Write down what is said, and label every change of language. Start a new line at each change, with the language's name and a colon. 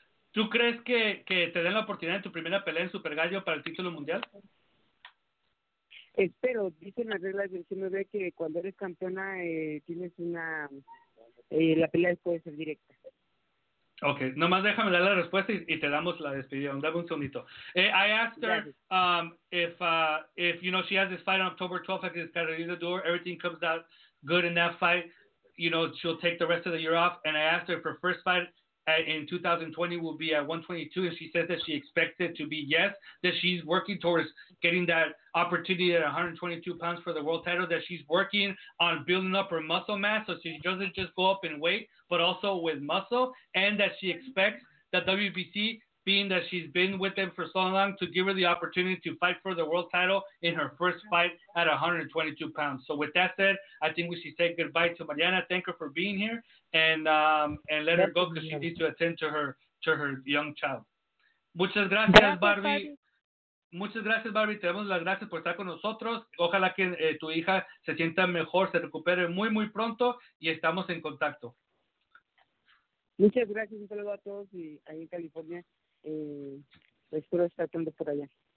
Spanish: ¿Tú crees que te den la oportunidad en tu primera pelea en super gallo para el título mundial? Espero, dicen las reglas del CMB que cuando eres campeona tienes una. La pelea puede ser directa. Ok, nomás déjame dar la respuesta y te damos la despedida. Dame un segundito.
English: I asked her if you know, she has this fight on October 12th against Carolina Duhr. Everything comes out good in that fight. You know, she'll take the rest of the year off. And I asked her if her first fight in 2020 will be at 122. And she says that she expects it to be yes, that she's working towards getting that opportunity at 122 pounds for the world title, that she's working on building up her muscle mass so she doesn't just go up in weight, but also with muscle, and that she expects the WBC, being that she's been with them for so long, to give her the opportunity to fight for the world title in her first fight at 122 pounds. So with that said, I think we should say goodbye to Mariana. Thank her for being here, and let her go because she needs to attend to her young child.
Spanish: Muchas gracias, Barbie. Muchas gracias, Barbie. Te damos las gracias por estar con nosotros. Ojalá que tu hija se sienta mejor, se recupere muy, muy pronto, y estamos en contacto. Muchas gracias. Un saludo a todos y ahí en California. Espero estar atento por allá.